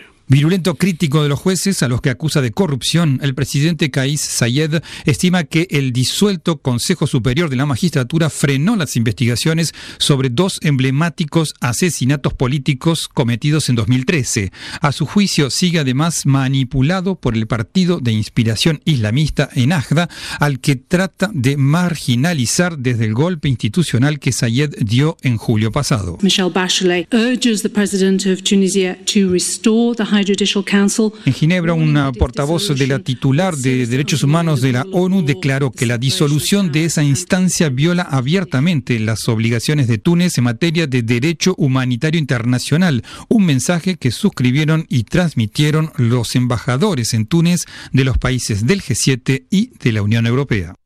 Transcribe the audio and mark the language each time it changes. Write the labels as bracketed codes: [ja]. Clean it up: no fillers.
[es] Virulento crítico de los jueces a los que acusa de corrupción, el presidente Kais Saied estima que el disuelto Consejo Superior de la Magistratura frenó las investigaciones sobre dos emblemáticos asesinatos políticos cometidos en 2013. A su juicio, sigue además manipulado por el partido de inspiración islamista ENAHDA, al que trata de marginalizar desde el golpe institucional que Saied dio en julio pasado. [en] Michelle Bachelet urges the president of Tunisia to restore the High Judicial Council. [es] En Ginebra, una portavoz de la titular de Derechos Humanos de la ONU declaró que la disolución de esa instancia viola abiertamente las obligaciones de Túnez en materia de derecho humanitario internacional, un mensaje que suscribieron y transmitieron los embajadores en Túnez de los países del G7 y de la Unión Europea.